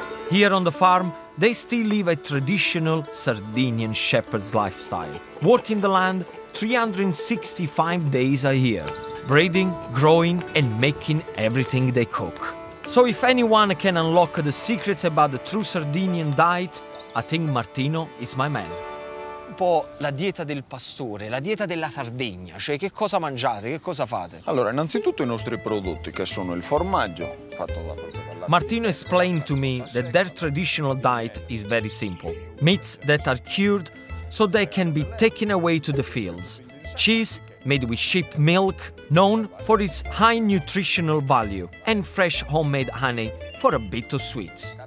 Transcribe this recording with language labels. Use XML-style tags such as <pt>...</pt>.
<en>Here on the farm, they still live a traditional Sardinian shepherd's lifestyle, working the land 365 days a year, breeding, growing, and making everything they cook. So if anyone can unlock the secrets about the true Sardinian diet, I think Martino is my man.</en> <it>Un po' la dieta del pastore, la dieta della Sardegna, cioè che cosa mangiate, che cosa fate? Allora, innanzitutto i nostri prodotti, che sono il formaggio, fatto da proprio.</it> <en>Martino explained to me that their traditional diet is very simple. Meats that are cured so they can be taken away to the fields. Cheese made with sheep milk, known for its high nutritional value, and fresh homemade honey for a bit of sweet.</en>